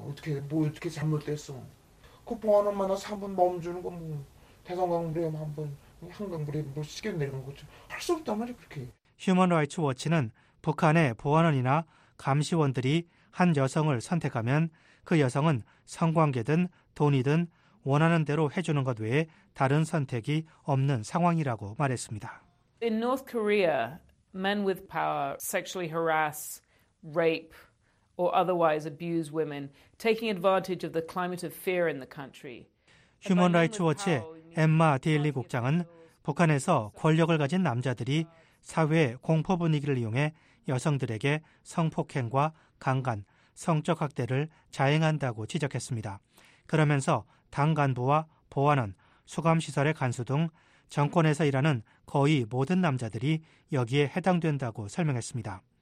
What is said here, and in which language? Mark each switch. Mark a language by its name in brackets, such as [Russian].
[Korean] 어떻게 잘못됐어? 그 보안원 만나서 한번 멈추는 거 대성강물에 한번 한강물에 뭐 시계 내리는 거지 할 수 없단 말이야 그렇게. 휴먼 라이츠 워치는 북한의 보안원이나 감시원들이 한 여성을 선택하면 그 여성은 성관계든 돈이든 원하는 대로 해주는 것 외에 다른 선택이 없는 상황이라고 말했습니다. [English] In North Korea, men with power sexually harass, rape, or otherwise abuse women, taking advantage of the climate of fear in the country. [Korean] 휴먼 라이츠 워치의 엠마 데일리 국장은 북한에서 권력을 가진 남자들이 사회의 공포 분위기를 이용해 여성들에게 성폭행과 강간, 성적 학대를 자행한다고 지적했습니다. 그러면서 당 간부와 보안원, 수감시설의 간수 등 정권에서 일하는 거의 모든 남자들이 여기에 해당된다고 설명했습니다.